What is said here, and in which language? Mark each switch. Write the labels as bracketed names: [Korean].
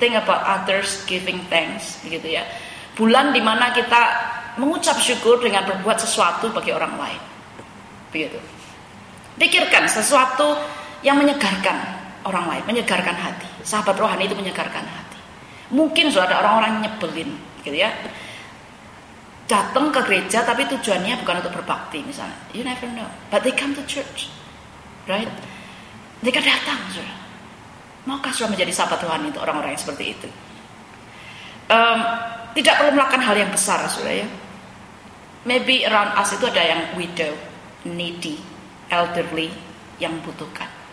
[English] Think about others giving thanks, [Indonesian] begitu ya. Bulan di mana kita mengucap syukur dengan berbuat sesuatu bagi orang lain. Begitu. Pikirkan sesuatu yang menyegarkan orang lain, menyegarkan hati. Sahabat rohani itu menyegarkan hati. Mungkin sudah ada orang-orang nyebelin, gitu ya. Datang ke gereja tapi tujuannya bukan untuk berbakti misalnya. [English] You never know. But they come to church, right? [Indonesian] Mereka datang, sudah. Maukah sudah menjadi sahabat rohani untuk orang-orang yang seperti itu? Tidak perlu melakukan hal yang besar, sudah ya. [English] Maybe around us [Indonesian] itu ada yang [English] widow, needy, elderly [Indonesian] yang membutuhkan.